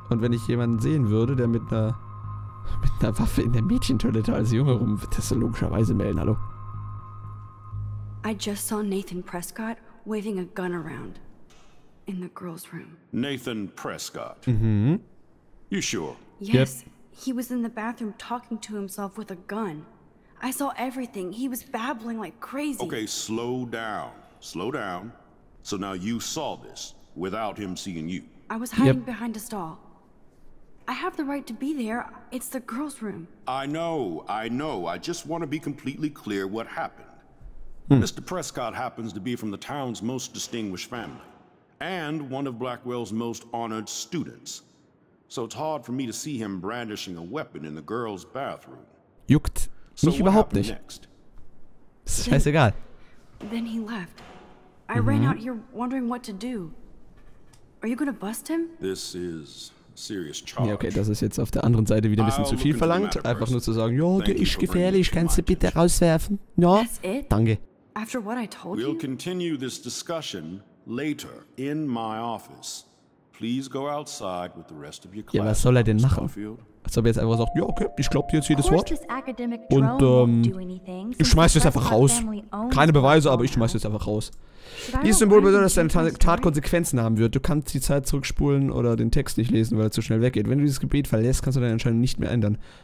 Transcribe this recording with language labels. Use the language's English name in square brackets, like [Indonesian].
[German] Und wenn ich jemanden sehen würde, der mit einer Waffe in der Mädchentoilette als Junge rum, würde das so logischerweise melden, hallo. [English] I just saw Nathan Prescott waving a gun around in the girls' room. Nathan Prescott? Mhm. You sure? Yes, he was in the bathroom talking to himself with a gun. I saw everything. He was babbling like crazy. Okay, slow down. So now you saw this without him seeing you. I was hiding behind a stall. I have the right to be there. It's the girls' room. I know. I just want to be completely clear what happened. Mr. Prescott happens to be from the town's most distinguished family and one of Blackwell's most honored students. So it's hard for me to see him brandishing a weapon in the girls' bathroom. [German] Juckt. Mich überhaupt nicht. Scheißegal. [English] Then he left. I ran out here wondering what to do. Are you gonna bust him? This is serious charge. [German] Ja, okay, das ist jetzt auf der anderen Seite wieder ein bisschen zu viel verlangt. Einfach nur zu sagen, ja, der ist gefährlich, kannst du bitte rauswerfen? Ja, danke. [English] After what I told you? We'll continue this discussion later in my office. Please go outside with the rest of your class. [German] Ja, was soll er denn machen? Als ob er jetzt einfach sagt, ja, okay, ich glaube dir jetzt jedes Wort. Und, ich schmeiß jetzt einfach raus. Keine Beweise, aber ich schmeiß jetzt einfach raus. Dieses Symbol bedeutet, dass deine Tat Konsequenzen haben wird. Du kannst die Zeit zurückspulen oder den Text nicht lesen, weil er zu schnell weggeht. Wenn du dieses Gebet verlässt, kannst du deine Entscheidung nicht mehr ändern.